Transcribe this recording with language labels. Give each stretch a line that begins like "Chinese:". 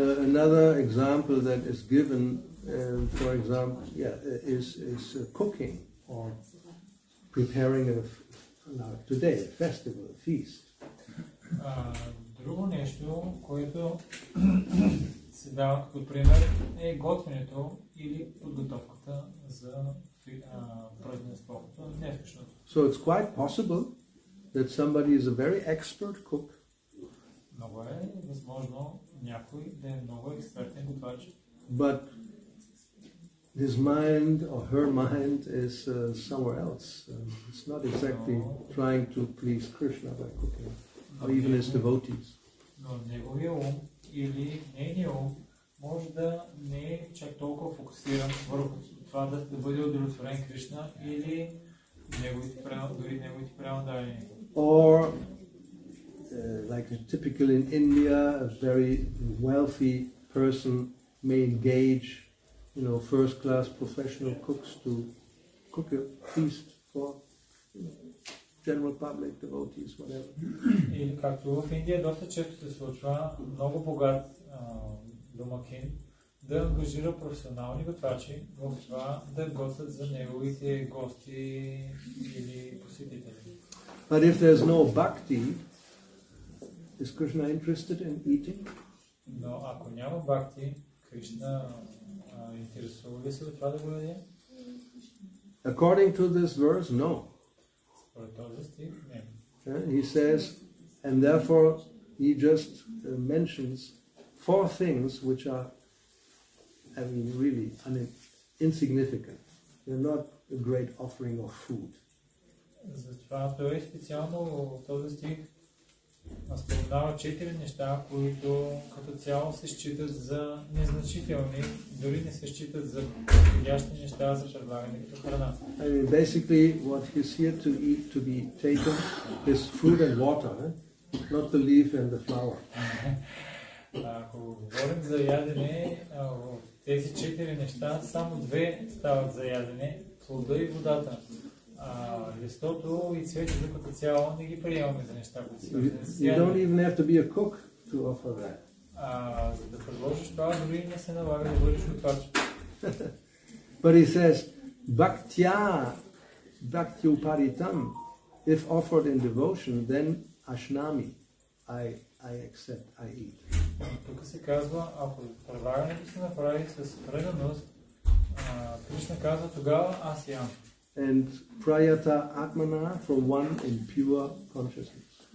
English: Another example that is given, for example, yeah, is cooking or preparing today, a festival, a feast.
Bulgarian: Друго нещо, което се дава като пример, е готвенето или подготовката за празненството, днешното.
English: So it's quite possible that somebody is a very expert cook.
Bulgarian: Много е възможно някой да е много експертен готвач.
English: But his mind or her mind is somewhere else. It's not exactly trying to please Krishna by cooking, or even his devotees.
Bulgarian: Но неговия ум или нейния ум може да не е чак толкова фокусиран върху това да бъде удовлетворен Кришна или неговите преводани.
English: Or, like typical in India, a very wealthy person may engage, you know, first-class professional cooks to cook a feast for general public devotees, whatever.
Bulgarian: И както в Индия доста често се случва, много богат домакин да ангажира професионални готвачи в това да готвят за неговите гости или посетители.
English: But if there's no bhakti, is Krishna interested in eating?
Bulgarian: Но ако няма бхакти, Кришна интересува ли се от това да го яде?
English: According to this verse, no.
Bulgarian: Според този стих, не.
English: He says, and therefore he just mentions four things which are, I mean, really insignificant. They're not a great offering of food.
Bulgarian: Затова той специално в този стих споменава четири неща, които като цяло се считат за незначителни, дори не се считат за подходящи неща за предлагане като храна.
English: I mean, basically, what he's here to eat to be taken is food and water, not the leaf and the flower.
Bulgarian: Ако говорим за ядене, тези четири неща, само две стават за ядене, плода и водата. Листото и цветето като цяло не ги приемаме за неща, които са за ядене.
English: You don't even have to be a cook to offer that.
Bulgarian: За да предложиш това, дори не се налага да бъдеш готвач.
English: But he says, bhaktya, bhakti uparitam, if offered in devotion, then ashnami, I accept, I eat.
Bulgarian: Тук се казва, ако предлагането се направи с преданост, Кришна казва, тогава аз ям.
English: And prayata atmana for one in pure consciousness.